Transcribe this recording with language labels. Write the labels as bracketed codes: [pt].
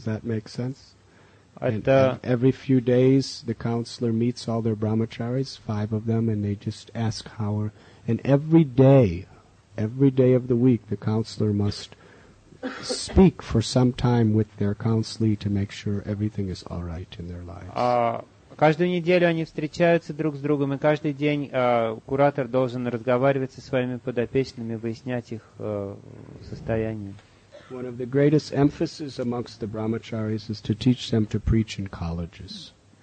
[en] Does that make sense? And every few days the counselor meets all their brahmacharis, five of them, and they just ask how are, and every day of the week the counselor must speak for some time with their counselee to make sure everything is all right in their lives. [ru] Каждую неделю они встречаются друг с другом, и каждый день куратор должен разговаривать со своими подопечными, выяснять их состояние. [en] One of the greatest emphases amongst the brahmacharis is to teach them to preach in colleges.